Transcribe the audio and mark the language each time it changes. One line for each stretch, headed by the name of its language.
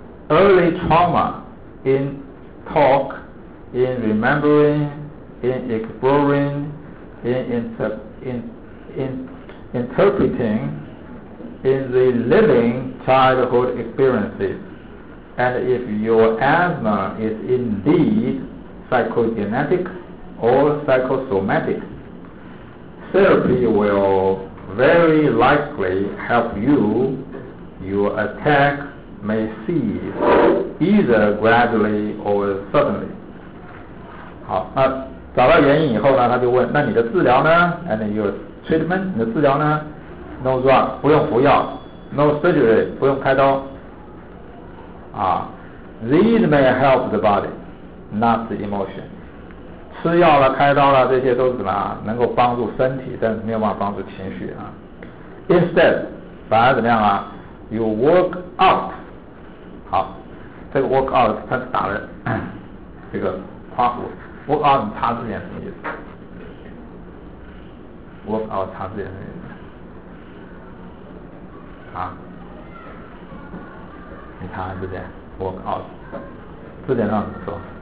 English: Early trauma in talk, in remembering, in exploring, in interpreting,in the living childhood experiences, and if your asthma is indeed psychogenetic or psychosomatic, therapy will very likely help you. Your attack may cease either gradually or suddenly.
Chinese: 好，那找到原因以后呢，他就问，那你的治疗呢？
English: And your treatment,
Chinese: 你的治疗呢？
English: No drug
Chinese: 不用服药，
English: No surgery
Chinese: 不用开刀啊。
English: These may help the body, not the emotion.
Chinese: 吃药了开刀了，这些都是什么，能够帮助身体，但是没有办法帮助情绪啊。
English: Instead
Chinese: 反而怎么样啊，
English: You work out。
Chinese: 好，这个 work out 它打了这个夸弧， work out 擦字眼什么意思， work out 擦字眼什么意思啊，你看字典 work out， 字典上怎么说？